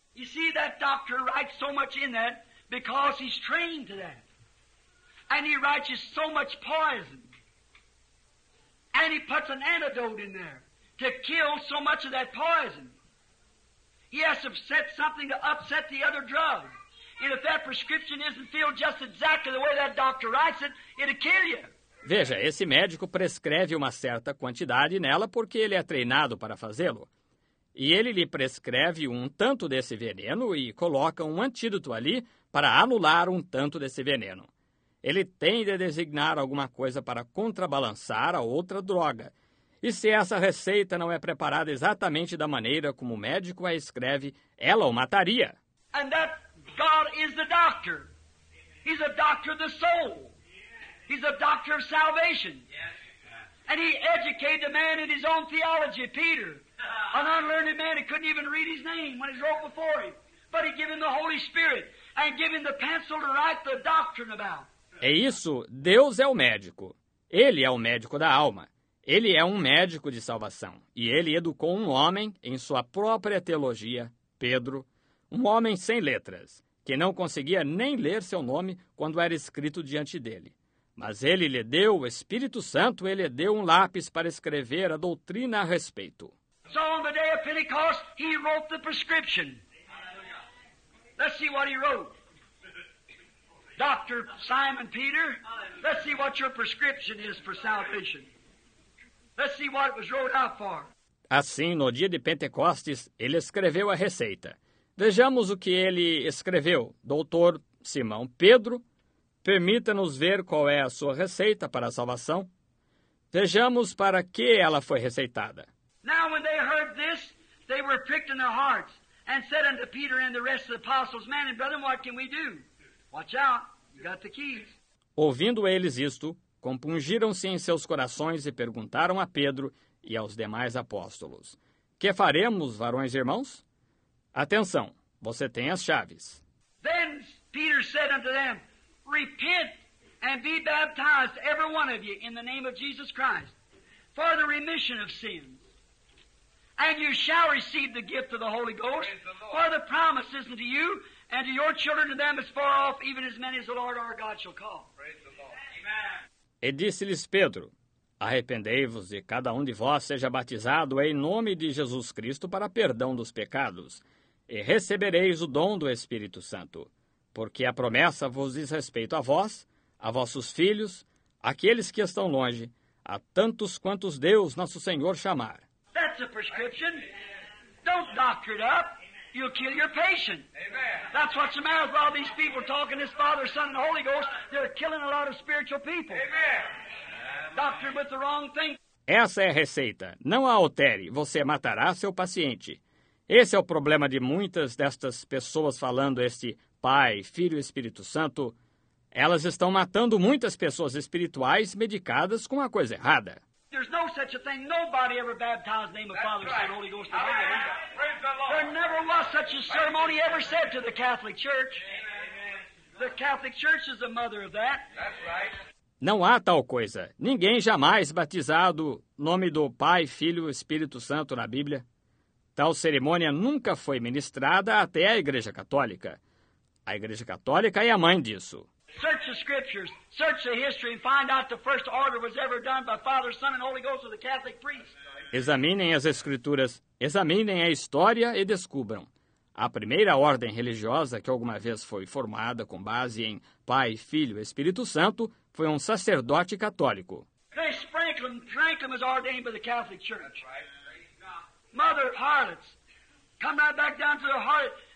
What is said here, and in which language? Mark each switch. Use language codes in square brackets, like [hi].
[en] You see, that doctor writes so much in that because he's trained to that. And he writes so much poison. And he puts an antidote in there to kill so much of that poison. He has to set something to upset the other drug. And if that prescription isn't filled just exactly the way that doctor writes it, it'll kill you. [pt] Veja, esse médico prescreve uma certa quantidade nela porque ele é treinado para fazê-lo. E ele lhe prescreve um tanto desse veneno e coloca um antídoto ali para anular um tanto desse veneno. Ele tem de designar alguma coisa para contrabalançar a outra droga. E se essa receita não é preparada exatamente da maneira como o médico a escreve, ela o mataria. [en] And that God is the doctor. He's a doctor of the soul. He's a doctor of salvation. And he educated the man in his own theology, Peter. An unlearned man, he couldn't even read his name when he wrote before him. But he gave him the Holy Spirit and gave him the pencil to write the doctrine about. [pt] É isso, Deus é o médico. Ele é o médico da alma. Ele é um médico de salvação. E ele educou um homem em sua própria teologia, Pedro, um homem sem letras, que não conseguia nem ler seu nome quando era escrito diante dele. Mas ele lhe deu o Espírito Santo, ele lhe deu um lápis para escrever a doutrina a respeito. [en] So on the day of Pentecost, he wrote the prescription. Let's see what he wrote. Dr. Simon Peter, let's see what your prescription is for salvation. Let's see what it was wrote out for. [pt] Assim, no dia de Pentecostes, ele escreveu a receita. Vejamos o que ele escreveu. Doutor Simão Pedro, permita-nos ver qual é a sua receita para a salvação. Vejamos para que ela foi receitada. [en] Now when they heard this, they were pricked in their hearts and said unto Peter and the rest of the apostles, Man and brethren, what can we do? Watch out, you got the keys. [pt] Ouvindo eles isto, compungiram-se em seus corações e perguntaram a Pedro e aos demais apóstolos, Que faremos, varões e irmãos? Atenção, você tem as chaves. [en] Then Peter said unto them, Repent and be baptized, every one of you, in the name of Jesus Christ, for the remission of sins. And you shall receive the gift of the Holy Ghost, for the promise is unto you, and to your children, to them as far off, even as many as the Lord our God shall call. Praise the Lord. Amen. [pt] E disse-lhes Pedro, arrependei-vos, e cada um de vós seja batizado em nome de Jesus Cristo para perdão dos pecados, e recebereis o dom do Espírito Santo, porque a promessa vos diz respeito a vós, a vossos filhos, àqueles que estão longe, a tantos quantos Deus nosso Senhor chamar. [en] That's a prescription. Don't doctor it up. You'll kill your patient. Amen. That's what's the matter with all these people talking, this Father, Son, and Holy Ghost. They're killing a lot of spiritual people. Amen. Doctor with the wrong thing. [pt] Essa é a receita. Não a altere. Você matará seu paciente. Esse é o problema de muitas destas pessoas falando este Pai, Filho e Espírito Santo. Elas estão matando muitas pessoas espirituais medicadas com a coisa errada. [en] There's no such a thing. Nobody ever baptized in the name of That's Father, Son, right. Holy Ghost, and Amen. Praise the Lord. There never was such a ceremony ever said to the Catholic Church. Amen. The Catholic Church is the mother of that. That's right. [pt] Não há tal coisa. Ninguém jamais batizado nome do Pai, Filho e Espírito Santo na Bíblia. Tal cerimônia nunca foi ministrada até a Igreja Católica. A Igreja Católica é a mãe disso. [en] Search the scriptures, search the history, and find out the first order was ever done by Father, Son, and Holy Ghost of the Catholic priest. [pt] Examinem as escrituras, examinem a história e descubram. A primeira ordem religiosa que alguma vez foi formada com base em Pai, Filho e Espírito Santo foi um sacerdote católico. [en] This Franklin was ordained by the Catholic Church. Right. Mother of harlots, come right back down to the harlot.